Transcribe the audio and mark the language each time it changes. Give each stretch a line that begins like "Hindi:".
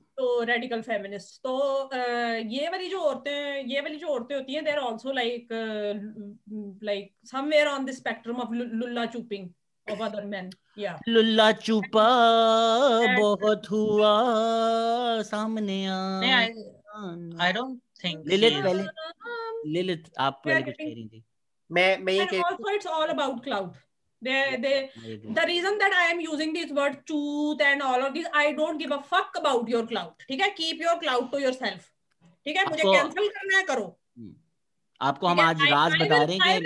Hindi: तो radical feminist तो ये वाली जो औरतें होती हैं
English: they are also like somewhere on the spectrum of लुल्ला चूपिंग of other men या
Hindi: लुल्ला चूपा बहुत हुआ सामने आ
English: I don't think
Hindi: लिलिथ पहले लिलिथ आप पहले कुछ कह रही थी मैं ये
English: कह it's all about clout The reason that I am using this word chooth and all of these, I don't give a fuck about your clout. Okay, keep your clout to yourself.
Hindi: Okay, मुझे cancel करना है करो. आपको हम आज राज बता रहे हैं कि